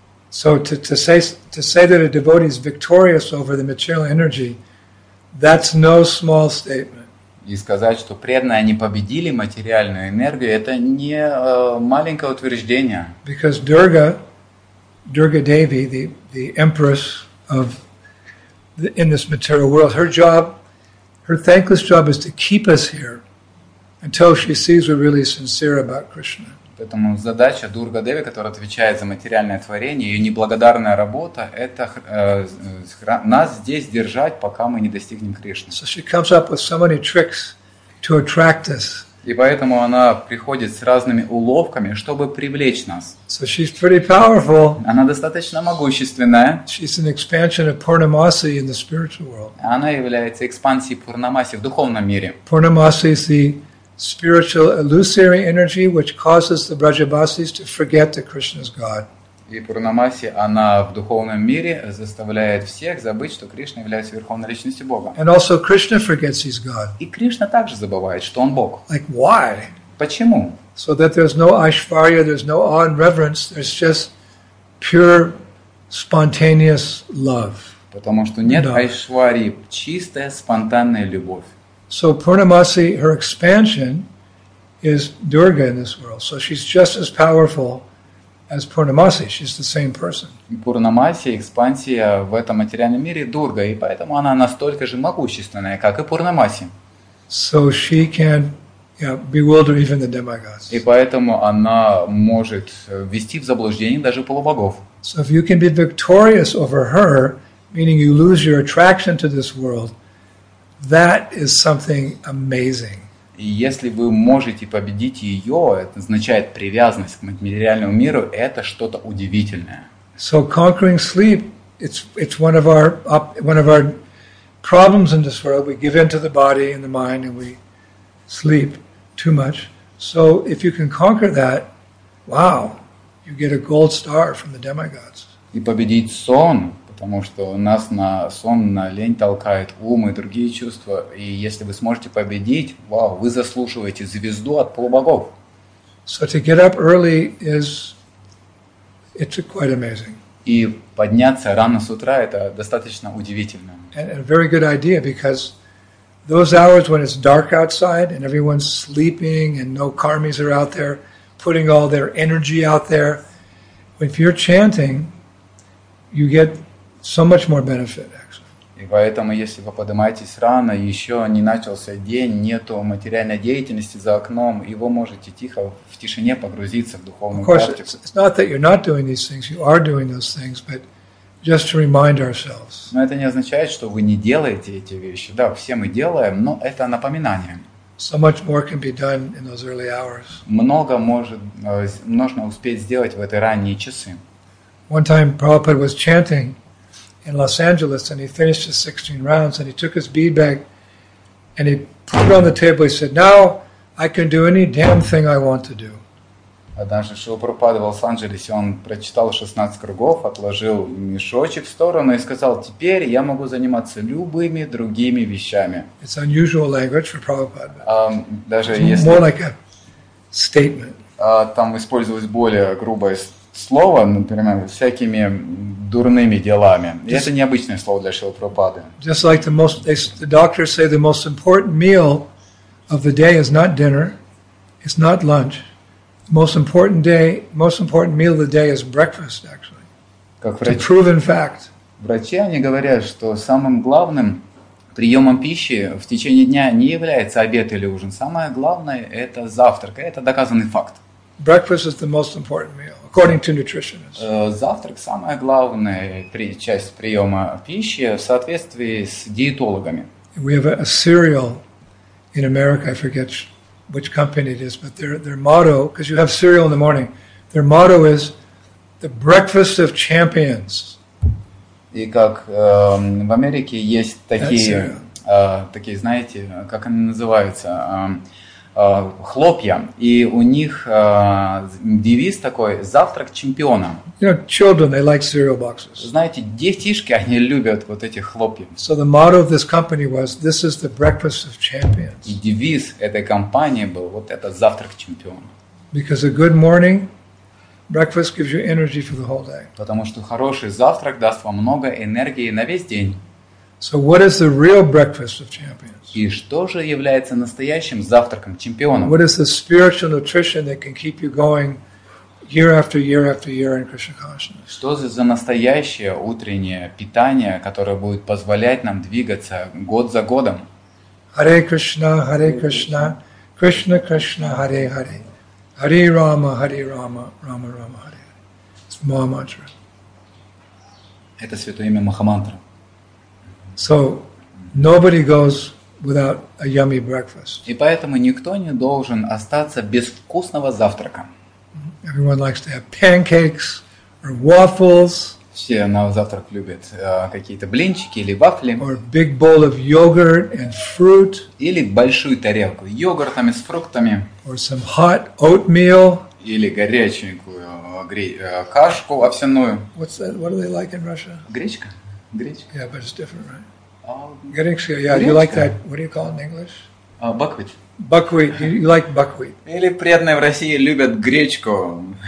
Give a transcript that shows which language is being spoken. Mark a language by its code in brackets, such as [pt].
[en] So to say that a devotee is victorious over the material energy, that's no small statement. [ru] И сказать, что преданные они победили материальную энергию, это не маленькое утверждение. [en] Because Durga Devi, the empress of in this material world, her thankless job is to keep us here until she sees we're really sincere about Krishna. [ru] Поэтому задача Дурга Деви, которая отвечает за материальное творение, ее неблагодарная работа, это нас здесь держать, пока мы не достигнем Кришны. [en] So she comes up with so many tricks to attract us. [ru] И поэтому она приходит с разными уловками, чтобы привлечь нас. [en] So she's pretty powerful. [ru] Она достаточно могущественная. [en] She's an expansion of Purnamasi in the spiritual world. [ru] Она является экспансией Пурнамаси в духовном мире. [en] Purnamasi is the spiritual illusory energy which causes the Brajavasis to forget that Krishna is God. [ru] И Пурнамаси, она в духовном мире заставляет всех забыть, что Кришна является Верховной Личностью Бога. [en] And also Krishna forgets he's God. [ru] И Кришна также забывает, что он Бог. [en] Like why? [ru] Почему? [en] So that there's no Aishvarya, there's no awe and reverence, there's just pure spontaneous love. [ru] Потому что нет Айшварьи, чистая спонтанная любовь. [en] So Purnamasi, her expansion is Durga in this world. So she's just as powerful as Purnamasi, she's the same person. [ru] Пурнамаси, экспансия в этом материальном мире Дурга, и поэтому она настолько же могущественная, как и Пурнамаси. [en] So she can bewilder even the demigods. [ru] И поэтому она может ввести в заблуждение даже полубогов. [en] So if you can be victorious over her, meaning you lose your attraction to this world, that is something amazing. [ru] И если вы можете победить ее, это означает привязанность к материальному миру, это что-то удивительное. [en] So conquering sleep, it's one of our problems in this world. We give in to the body and the mind and we sleep too much. So if you can conquer that, wow, you get a gold star from the demigods. [ru] И победить сон. Потому что нас на сон, на лень толкает ум и другие чувства. И если вы сможете победить, вау, вы заслуживаете звезду от полубогов. [en] So to get up early it's quite amazing. [ru] И подняться рано с утра – это достаточно удивительно. [en] And a very good idea, because those hours when it's dark outside and everyone's sleeping and no karmis are out there, putting all their energy out there, if you're chanting, you get so much more benefit, actually. [ru] И поэтому, если вы поднимаетесь рано, еще не начался день, нету материальной деятельности за окном, и вы можете тихо, в тишине погрузиться в духовную практику. [en] Of course, it's not that you're not doing these things, you are doing those things, but just to remind ourselves. [ru] Но это не означает, что вы не делаете эти вещи. Да, все мы делаем, но это напоминание. [en] So much more can be done in those early hours. [ru] Много может, можно успеть сделать в эти ранние часы. [en] One time Prabhupada was chanting in Los Angeles and he finished his 16 rounds and he took his bead bag and he put it on the table. He said, "Now I can do any damn thing I want to do." [ru] Однажды Шрила Прабхупада в Лос-Анджелесе, он прочитал 16 кругов, отложил мешочек в сторону и сказал, теперь я могу заниматься любыми другими вещами. [en] It's unusual language for Prabhupada. [ru] Даже [en] it's [ru] если... [en] more like a statement. [ru] Там использовалось более грубое слово, например, всякими дурными делами. Just, это необычное слово для Шрила Прабхупады. [en] Just like the most, the doctors say the most important meal of the day is not dinner, it's not lunch. Most important meal of the day is breakfast, actually. [ru] Как врач... [en] It's a proven fact. [ru] Врачи, они говорят, что самым главным приемом пищи в течение дня не является обед или ужин. Самое главное – это завтрак. Это доказанный факт. [en] Breakfast is the most important meal, according to nutritionists. [ru] Завтрак – самая главная часть приема пищи в соответствии с диетологами. [en] We have a cereal in America, I forget which company it is, but their motto, because you have cereal in the morning, their motto is the breakfast of champions. [ru] И как в Америке есть такие, такие, знаете, как они называются, хлопья, и у них девиз такой, завтрак чемпиона. [en] You know, children, they like cereal boxes. [ru] Знаете, детишки, они любят вот эти хлопья. [en] So the motto of this company was, this is the breakfast of champions. [ru] И девиз этой компании был, вот это завтрак чемпиона. [en] Because a good morning breakfast gives you energy for the whole day. [ru] Потому что хороший завтрак даст вам много энергии на весь день. [en] So what is the real breakfast of champions? [ru] И что же является настоящим завтраком чемпионов? [en] What is the spiritual nutrition that can keep you going year after year after year in Krishna consciousness? [ru] Что за настоящее утреннее питание, которое будет позволять нам двигаться год за годом? [sa] Hare Krishna, Hare Krishna, Krishna Krishna, Hare Hare. Hare Rama, Rama Rama, Hare Hare. [en] It's Maha Mantra. [ru] Это святое имя Махамантра. [en] So nobody goes without a yummy breakfast. [ru] И поэтому никто не должен остаться без вкусного завтрака. [en] Everyone likes to have pancakes or waffles. [ru] Все на завтрак любят какие-то блинчики или вафли. [en] Or a big bowl of yogurt and fruit. [ru] Или большую тарелку йогуртами с фруктами. [en] Or some hot oatmeal. [ru] Или горяченькую кашку овсяную. [en] What's that? What do they like in Russia? [ru] Гречка. Гречка. [en] Yeah, but it's different, right? [ru] Гречка. [en] Yeah, do you like that? What do you call it in English? Buckwheat. Buckwheat. You like buckwheat? [ru] Или преданные в России любят гречку.